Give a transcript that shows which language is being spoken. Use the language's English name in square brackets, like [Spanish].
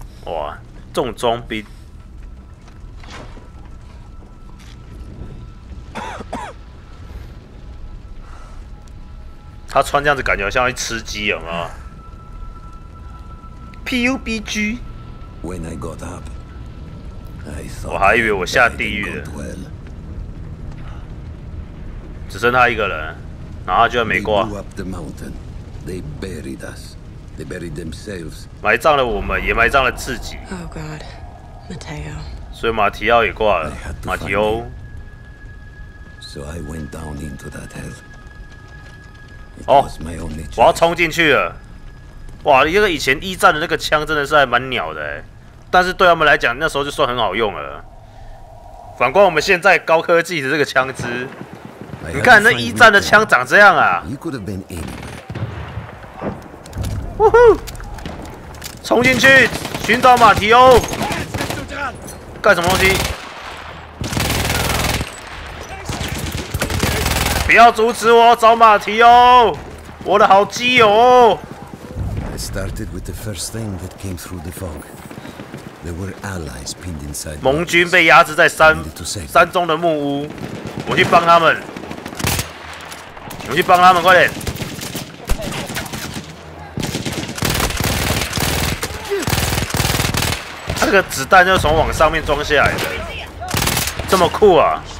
[Chinese] 哇！重装兵，他穿这样子感觉像去吃鸡，有没有 ？PUBG。 [English] When I got up, I thought [Chinese] 我还以为我下地狱了，只剩他一个人，然后他居然没挂。 [English] They blew up the mountain. They buried us. They buried themselves. [Chinese] 埋葬了我们，也埋葬了自己。 [English] Oh God, Mateo. [Chinese] 所以马提奥也挂了。马提欧。 [English] So I went down into that hell. It was my only choice. [Chinese] 我要冲进去了。哇，一个以前一战的那个枪真的是还蛮鸟的，但是对他们来讲，那时候就算很好用了。反观我们现在高科技的这个枪支，你看那一战的枪长这样啊。 [English] You could have been anywhere. [Chinese] 冲进去寻找马提欧，干什么东西？不要阻止我找马提欧，我的好基友。 [English] I started with the first thing that came through the fog. There were allies pinned inside. [Chinese] 盟军被压制在山中的木屋，我去帮他们，我去帮他们，快点。这个子弹就是从往上面装下来的，这么酷啊！